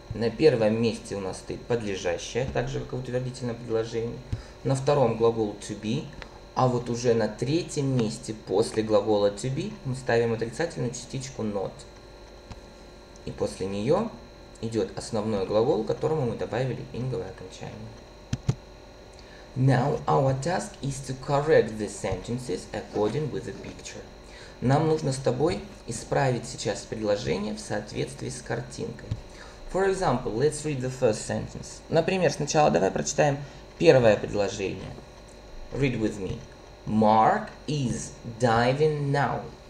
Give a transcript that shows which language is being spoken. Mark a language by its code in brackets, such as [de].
[ru] На первом месте у нас стоит подлежащее, так же, как и в утвердительном предложении. На втором глагол to be. А вот уже на третьем месте после глагола to be мы ставим отрицательную частичку not. И после нее идет основной глагол, которому мы добавили инговое окончание. [en] Now our task is to correct the sentences according with the picture. [ru] Нам нужно с тобой исправить сейчас предложение в соответствии с картинкой. [en] For example, let's read the first sentence. [ru] Например, сначала давай прочитаем первое предложение. [en] Read with me. Mark is diving now.